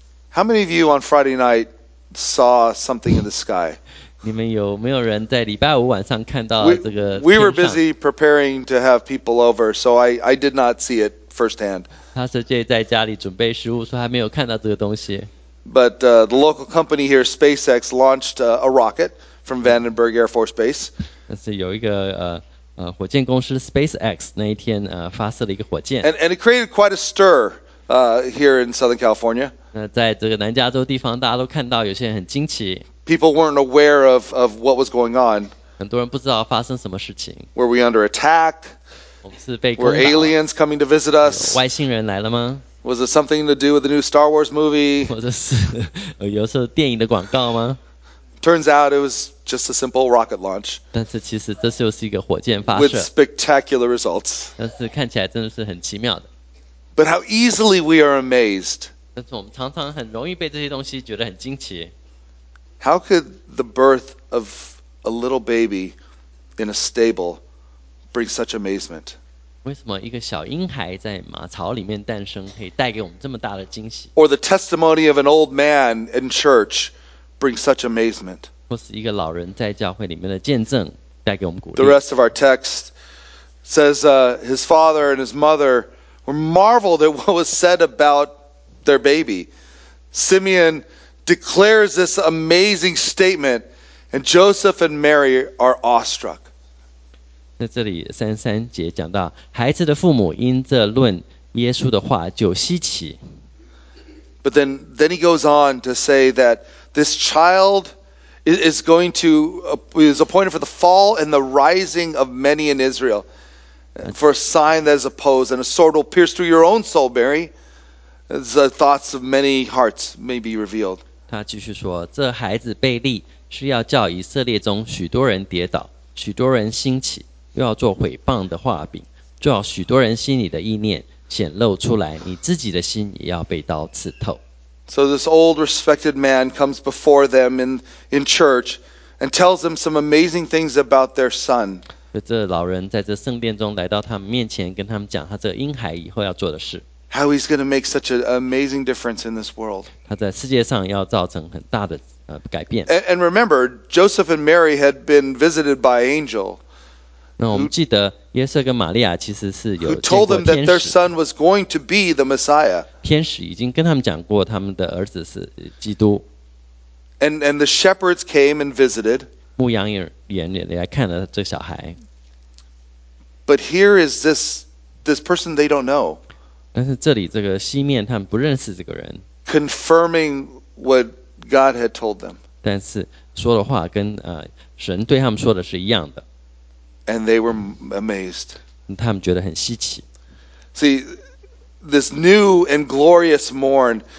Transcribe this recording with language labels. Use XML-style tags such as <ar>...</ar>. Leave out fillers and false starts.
<en>How many of you on Friday night saw something in the sky?</en> <zh>你们有没有人在礼拜五晚上看到这个天上？</zh> <en>We were busy preparing to have people over, so I did not see it firsthand.</en> <zh>他是在家里准备食物，所以还没有看到这个东西。</zh> <en>But the local company here, SpaceX, launched a rocket from Vandenberg Air Force Base.</en> <zh>但是有一个火箭公司 SpaceX 那一天发射了一个火箭。</zh> <en>And it created quite a stir here in Southern California.</en> <zh>那在这个南加州地方，大家都看到有些人很惊奇。</zh> <en>People weren't aware of what was going on.</en> <zh>很多人不知道发生什么事情。</zh> <en>Were we under attack?</en> <zh>我们是被攻打。</zh> <en>Were aliens coming to visit us?</en> <zh>外星人来了吗？</zh> <en>Was it something to do with the new Star Wars movie?</en> <zh>或者是有时候电影的广告吗？</zh> <en>Turns out it was just a simple rocket launch.</en> <zh>但是其实这就是一个火箭发射。</zh> <en>With spectacular results.</en> <zh>但是看起来真的是很奇妙的。</zh> <en>But how easily we are amazed.</en> <zh>但是我们常常很容易被这些东西觉得很惊奇。</zh> <en>How could the birth of a little baby in a stable bring such amazement?</en> <zh>为什么一个小婴孩在马槽里面诞生可以带给我们这么大的惊喜？</zh> <en>Or the testimony of an old man in church brings such amazement?</en> <zh>或是一个老人在教会里面的见证带给我们鼓励？</zh> <en>The rest of our text says his father and his mother were marveled at what was said about their baby. Simeon declares this amazing statement, and Joseph and Mary are awestruck.</en> <zh>在这里三三节讲到，孩子的父母因这论耶稣的话就稀奇。</zh> <en>But then he goes on to say that this child is going to is appointed for the fall and the rising of many in Israel, for a sign that is opposed, and a sword will pierce through your own soul, Mary, as the thoughts of many hearts may be revealed.</en> <zh>他继续说，这孩子被立是要叫以色列中许多人跌倒，许多人兴起，又要做毁谤的画饼，就要许多人心里的意念显露出来，你自己的心也要被刀刺透。</zh> <en>So this old respected man comes before them in church and tells them some amazing things about their son.</en> <zh>这老人在这圣殿中来到他们面前，跟他们讲他这婴孩以后要做的事。</zh> <en>How he's going to make such an amazing difference in this world.</en> <zh>他在世界上要造成很大的改变。</zh> <en>And remember, Joseph and Mary had been visited by angel.</en> <zh>那我们记得约瑟跟玛利亚其实是有见过天使。</zh> <en>Who told them that their son was going to be the Messiah.</en> <zh>天使已经跟他们讲过他们的儿子是基督。</zh> <en>And the shepherds came and visited.</en> <zh>牧羊人也来看了这小孩。</zh> <en>But here is this person they don't know.</en> <zh>但是这里这个西面他们不认识这个人</zh> <en>confirming what God had told them</en> <zh>但是说的话跟神对他们说的是一样的</zh> <en>and they were amazed</en> <zh>他们觉得很稀奇</zh> <en>see this new and glorious morn.</en>